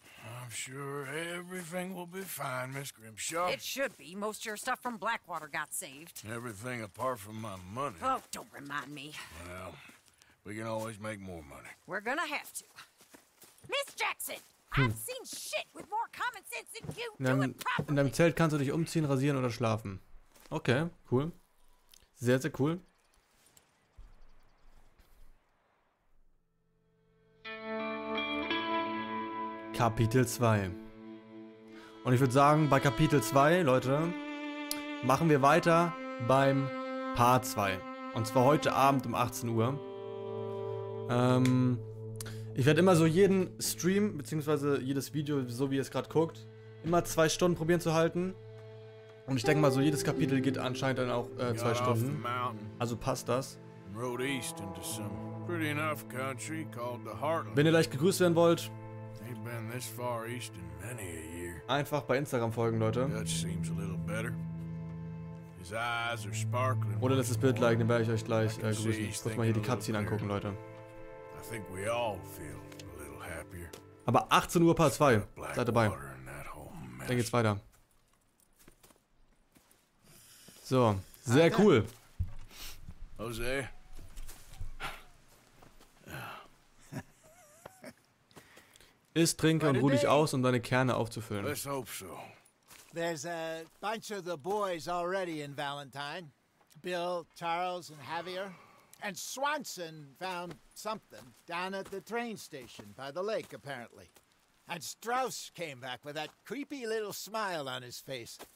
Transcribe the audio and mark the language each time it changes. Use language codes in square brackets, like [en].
[en] I'm sure everything will be fine, Miss Grimshaw. It should be. Most of your stuff from Blackwater got saved. Everything apart from my money. Oh, don't remind me. Well, we can always make more money. We're gonna have to. Miss Jackson, I've seen shit with more common sense than you. [de] In deinem Zelt kannst du dich umziehen, rasieren oder schlafen. Okay, cool. Sehr, sehr cool. Kapitel 2. Und ich würde sagen, bei Kapitel 2, Leute, machen wir weiter beim Part 2. Und zwar heute Abend um 18 Uhr. Ich werde immer so jeden Stream, beziehungsweise jedes Video, so wie ihr es gerade guckt, immer 2 Stunden probieren zu halten. Und ich denke mal, so jedes Kapitel geht anscheinend dann auch 2 Stunden. Also passt das. Wenn ihr leicht gegrüßt werden wollt, [en] been this far east in many a year. [de] Einfach bei Instagram folgen, Leute. [en] Dutch seems a little better. His eyes are sparkling. [de] Ohne dass das Bild liken, werde ich euch gleich grüßen. Ich muss mal hier die Cutscene angucken, Leute. [en] I think we all feel a little happier. [de] Aber 18 Uhr Part 2. Seid dabei. Dann geht's weiter. So, sehr cool. [en] Jose. [de] Iss, trinke und ruh dich aus, um deine Kerne aufzufüllen. [en] Let's hope so. There's a bunch of the boys already in Valentine. Bill, Charles and Javier. And Swanson found something down at the train station by the lake, apparently. And Strauss came back with that creepy little smile on his face.